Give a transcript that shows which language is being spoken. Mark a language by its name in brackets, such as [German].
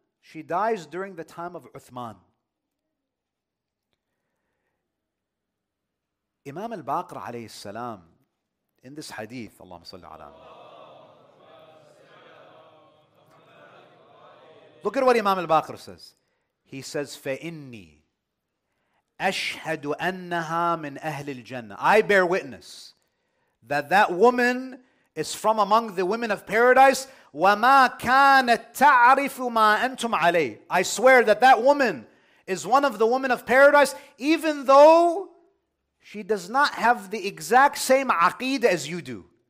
[English] She dies during the time of Uthman. Imam al-Baqir alayhi salam, in this hadith, Allahumma salli ala. Look at what Imam al-Baqir says. He says, [Arabic] فَإِنِّي أَشْهَدُ أَنَّهَا مِنْ أَهْلِ الْجَنَّةِ. [English] I bear witness that that woman is from among the women of paradise. [Arabic] وَمَا كَانَتْ تَعْرِفُ مَا أَنْتُمْ عَلَيْهِ. [English] I swear that that woman is one of the women of paradise, even though she does not have the exact same aqeedah as you do.